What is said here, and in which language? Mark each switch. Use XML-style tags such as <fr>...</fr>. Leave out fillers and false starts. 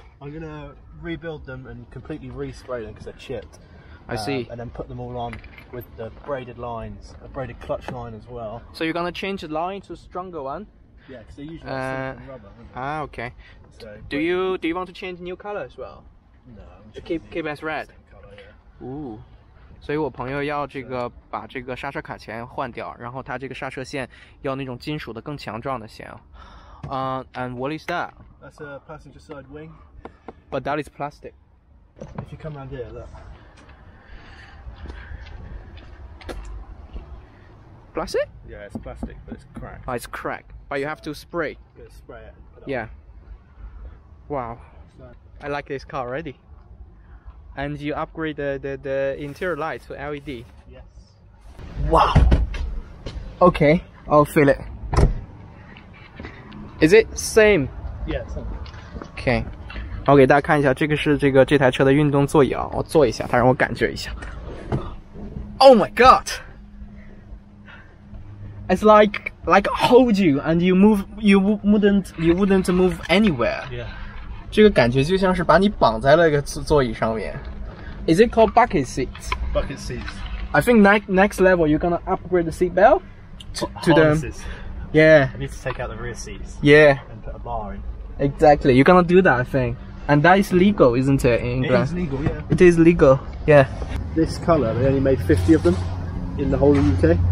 <en>I'm gonna rebuild them and completely respray them because they're chipped. I see. And then put them all on with the braided lines, a braided clutch line as well. So you're gonna change the line to a stronger one? Yeah, because they usually have silicone rubber, aren't they? Ah, okay. So, do you want to change new color as well? No. Keep as red. Same color, yeah. Ooh.</en> <zh>所以我朋友要这个把这个刹车卡钳换掉，然后他这个刹车线要那种金属的更强壮的线啊。</zh> <en>And what is that? That's a passenger side wing. But that is plastic. If you come around here, look. Plastic? Yeah, it's plastic, but it's cracked. Oh, it's cracked. But you have to spray. You gotta spray it. Yeah. Wow. I like this car already. And you upgrade the interior lights to LED. Yes. Wow. Okay, I'll fill it. Is it same? Yes. Okay.</en> <zh>我给大家看一下，这个是这台车的运动座椅啊。我坐一下，它让我感觉一下。</zh> <en>Oh my god! It's like hold you and you wouldn't move anywhere. Yeah.</en> <zh>这个感觉就像是把你绑在了一个座椅上面。</zh> <en>Is it called bucket seat? Bucket seat. I think next level you're gonna upgrade the seat belt to the. Yeah. I need to take out the rear seats. Yeah. And put a bar in. Exactly. You cannot do that, I think. And that is legal, isn't it, in England? It is legal, yeah. It is legal, yeah. This color, they only made 50 of them in the whole UK.</en>